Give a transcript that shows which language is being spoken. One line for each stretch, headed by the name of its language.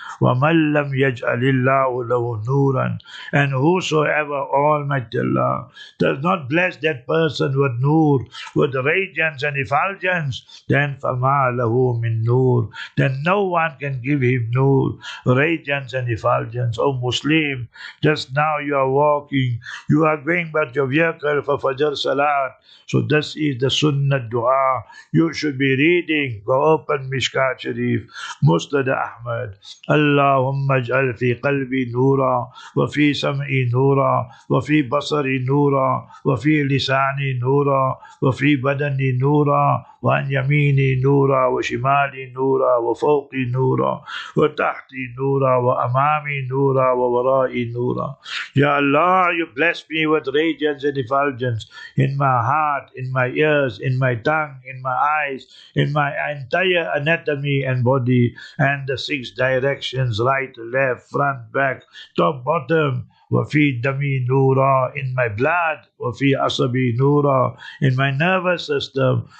Arabic: وَمَنْ لَمْ يَجْعَلِ اللَّهُ لَهُ نُورًا,
English: and whosoever, Almighty Allah, does not bless that person with nur, with radiance and effulgence, then
Arabic: فَمَا لَهُ مِنْ نُور,
English: then no one can give him nur, radiance and effulgence. O Muslim, just now you are walking, you are going about your vehicle for Fajr Salat, so this is the Sunnah Dua you should be reading. Go open Mishkat Sharif, Musnad Ahmad.
Arabic: اللهم اجعل في قلبي نورا وفي سمعي نورا وفي بصري نورا وفي لساني نورا وفي بدني نورا وعن يميني نورا وشمالي نورا وفوقي نورا وتحتي نورا وأمامي نورا وورائي نورا.
English: Ya Allah, you bless me with radiance and effulgence in my heart, in my ears, in my tongue, in my eyes, in my entire anatomy and body, and the six directions, right, left, front, back, top, bottom.
Arabic: وَفِي دَمِي نُورًا,
English: in my blood.
Arabic: وَفِي أَصَبِي نُورًا,
English: in my nervous system.